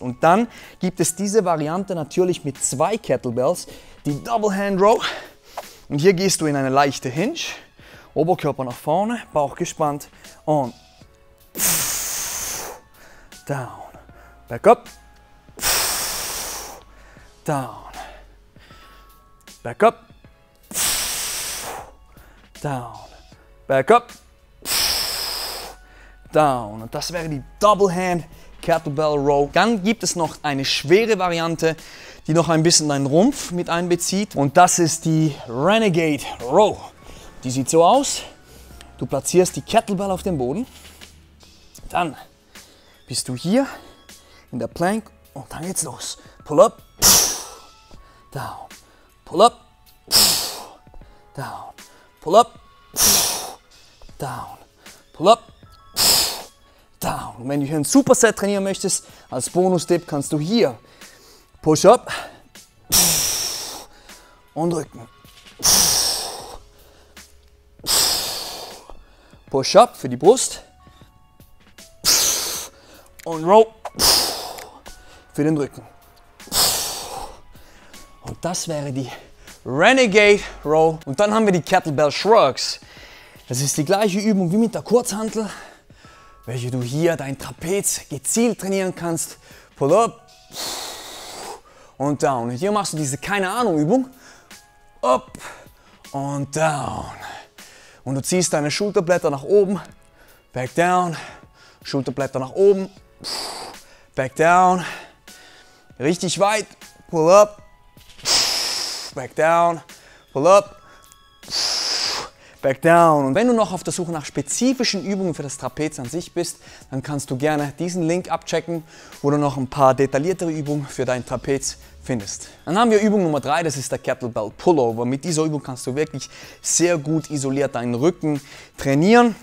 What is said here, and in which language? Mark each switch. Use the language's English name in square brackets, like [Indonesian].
[German] Und dann gibt es diese Variante natürlich mit 2 Kettlebells, die Double Hand Row. Und hier gehst du in eine leichte Hinge, Oberkörper nach vorne, Bauch gespannt und [English] down, back up. Down, back up, down, back up, down. [German] Und das wäre die Double Hand Kettlebell Row. Dann gibt es noch eine schwere Variante, die noch ein bisschen deinen Rumpf mit einbezieht. Und das ist die Renegade Row. Die sieht so aus, du platzierst die Kettlebell auf dem Boden. Dann bist du hier in der Plank und dann geht's los. [English] Pull up. Down, pull up, down, pull up, down, pull up, down. [German] Und wenn du hier ein Superset trainieren möchtest, als Bonus-Tipp kannst du hier Push-Up und Rücken. Push-Up für die Brust und Row für den Rücken. Und das wäre die Renegade Row. Und dann haben wir die Kettlebell Shrugs. Das ist die gleiche Übung wie mit der Kurzhantel, welche du hier dein Trapez gezielt trainieren kannst. [English] Pull up [German] und down. Und hier machst du diese Keine-Ahnung-Übung. Up und down. Und du ziehst deine Schulterblätter nach oben. [English] Back down. [German] Schulterblätter nach oben. [English] Back down. [German] Richtig weit. [English] Pull up. Back down, pull up, back down. [German] Und wenn du noch auf der Suche nach spezifischen Übungen für das Trapez an sich bist, dann kannst du gerne diesen Link abchecken, wo du noch ein paar detailliertere Übungen für dein Trapez findest. Dann haben wir Übung Nummer 3, das ist der Kettlebell Pullover. Mit dieser Übung kannst du wirklich sehr gut isoliert deinen Rücken trainieren.